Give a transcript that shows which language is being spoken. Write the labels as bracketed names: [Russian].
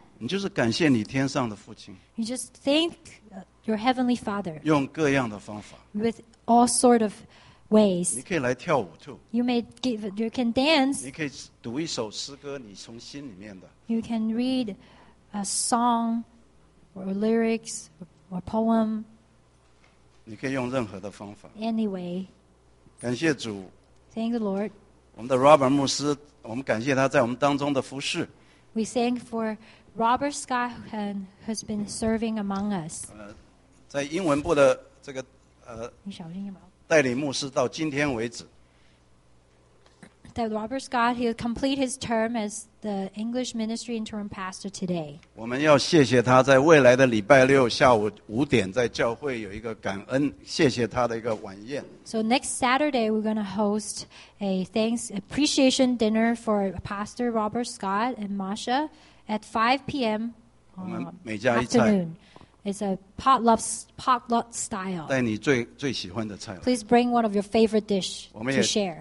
[Chinese] 你就是感谢你天上的父亲。 [English] You just thank your heavenly father. [Chinese] 用各样的方法。 [English] With all sort of ways. [Chinese] 你可以来跳舞 too. [English] You can dance. [Chinese] 你可以读一首诗歌，你从心里面的。 [English] You can read a song, or lyrics, or poem. [Chinese] 你可以用任何的方法。 [English] Anyway. [Chinese] 感谢主。 [English] Thank the Lord. [Chinese] 我们的 Robert 牧师，我们感谢他在我们当中的服事。 [English] We thank for. Robert Scott has been serving among us. [Chinese] 在英文部的这个你小心一点。代理牧师到今天为止。 [English] That Robert Scott, he'll complete his term as the English ministry interim pastor today. [Chinese] 我们要谢谢他在未来的礼拜六下午五点在教会有一个感恩，谢谢他的一个晚宴。 [English] So next Saturday, we're going to host a thanks appreciation dinner for Pastor Robert Scott and Masha. At 5 p.m. afternoon, it's a potluck style. [Chinese] 带你最喜欢的菜。 [English] Please bring one of your favorite dish to share.